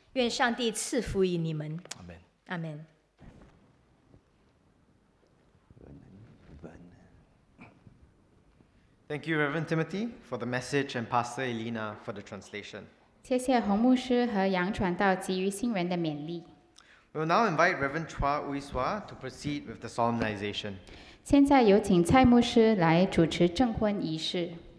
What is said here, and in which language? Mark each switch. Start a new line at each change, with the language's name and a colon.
Chinese: 愿上帝赐福于你们。
English: Amen. Amen. Thank you, Reverend Timothy, for the message and Pastor Elena for the translation.
Chinese: 谢谢洪牧师和杨传道给予新人的勉励。
English: We'll now invite Reverend Chua Uiswa to proceed with the solemnization.
Chinese: 现在有请蔡牧师来主持证婚仪式。